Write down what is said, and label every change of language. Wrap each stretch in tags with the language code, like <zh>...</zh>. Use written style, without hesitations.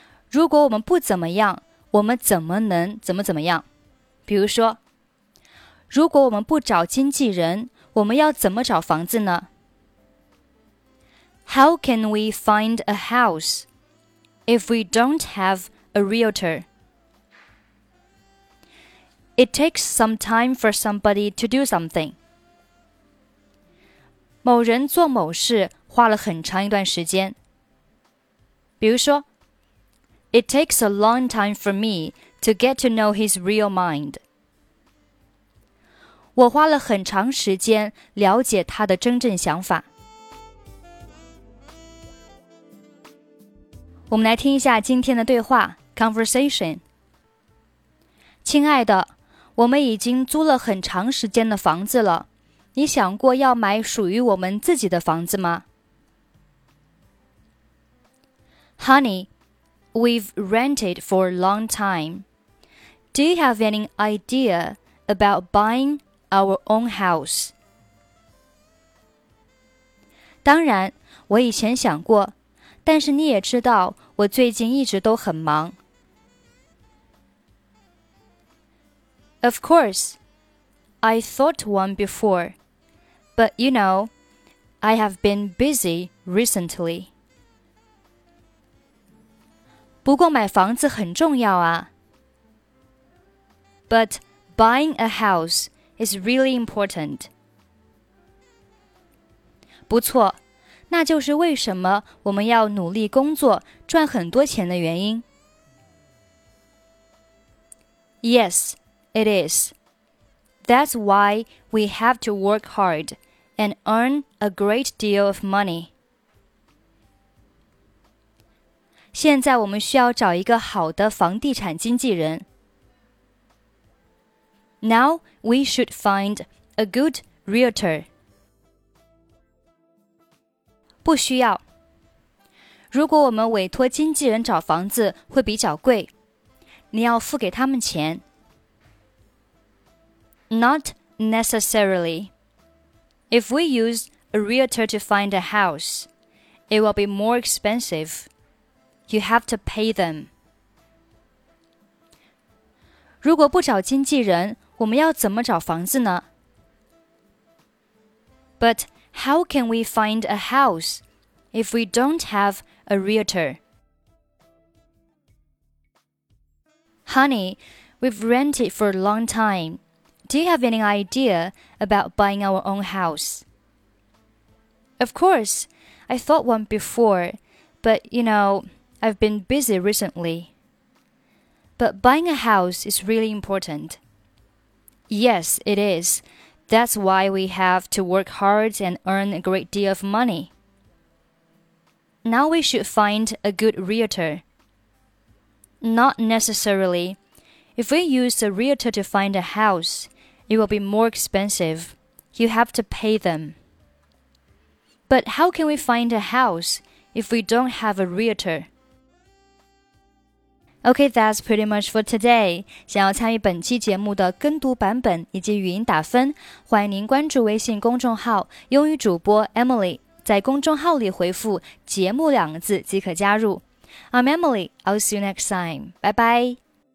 <zh>如果我们不怎么样，我们怎么能怎么怎么样？比如说，如果我们不找经纪人，我们要怎么找房子呢？</zh> <en>How can we find a house if we don't have a realtor? It takes some time for somebody to do something.</en> <zh>某人做某事花了很长一段时间。比如说</zh> <en>,It takes a long time for me to get to know his real mind.</en> <zh>我花了很长时间了解他的真正想法。我们来听一下今天的对话 ,conversation。亲爱的，我们已经租了很长时间的房子了。你想过要买属于我们自己的房子吗？</zh> <en>Honey, we've rented for a long time. Do you have any idea about buying our own house?</en> <zh>当然，我以前想过，但是你也知道，我最近一直都很忙。</zh> <en>Of course, I thought one before. But you know, I have been busy recently.</en> <zh>不过买房子很重要啊。</zh> <en>But buying a house is really important.</en> <zh>不错，那就是为什么我们要努力工作，赚很多钱的原因。</zh> <en>Yes, it is. That's why we have to work hard and earn a great deal of money.</en> <zh>现在我们需要找一个好的房地产经纪人。</zh> <en>Now we should find a good realtor.</en> <zh>不需要。如果我们委托经纪人找房子会比较贵，你要付给他们钱。</zh> <en>Not necessarily. If we use a realtor to find a house, it will be more expensive. You have to pay them.</en> <zh>如果不找经纪人，我们要怎么找房子呢？</zh> <en>But how can we find a house if we don't have a realtor? Honey, we've rented for a long time. Do you have any idea about buying our own house? Of course, I thought one before, but you know, I've been busy recently. But buying a house is really important. Yes, it is. That's why we have to work hard and earn a great deal of money. Now we should find a good realtor. Not necessarily. If we use a realtor to find a house, it will be more expensive. You have to pay them. But how can we find a house if we don't have a realtor? Okay, that's pretty much for today.</en> <zh>想要参与本期节目的跟读版本以及语音打分，欢迎您关注微信公众号英语主播 Emily， 在公众号里回复节目两个字即可加入。</zh> <en>I'm Emily, I'll see you next time. Bye bye.</en>